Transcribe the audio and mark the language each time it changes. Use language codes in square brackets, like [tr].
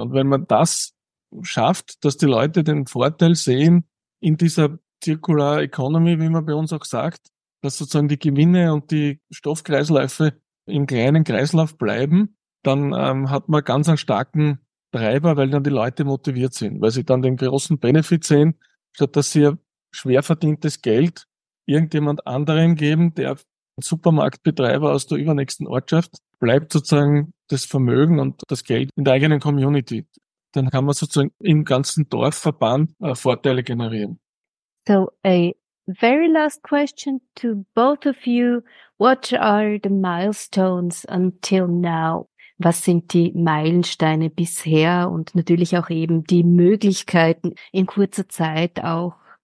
[de] Und wenn man das schafft, dass die Leute den Vorteil sehen in dieser Circular Economy, wie man bei uns auch sagt, dass sozusagen die Gewinne und die Stoffkreisläufe im kleinen Kreislauf bleiben, dann hat man ganz einen starken Treiber, weil dann die Leute motiviert sind, weil sie dann den großen Benefit sehen, statt dass sie ihr schwer verdientes Geld irgendjemand anderem geben, der Supermarktbetreiber aus der übernächsten Ortschaft, bleibt sozusagen das Vermögen und das Geld in der eigenen Community. Dann kann man sozusagen im ganzen Dorfverband Vorteile generieren. [en] So, a very last question to both of you. What are the milestones until now? [de] Was sind die Meilensteine bisher und natürlich auch eben die Möglichkeiten in kurzer Zeit auch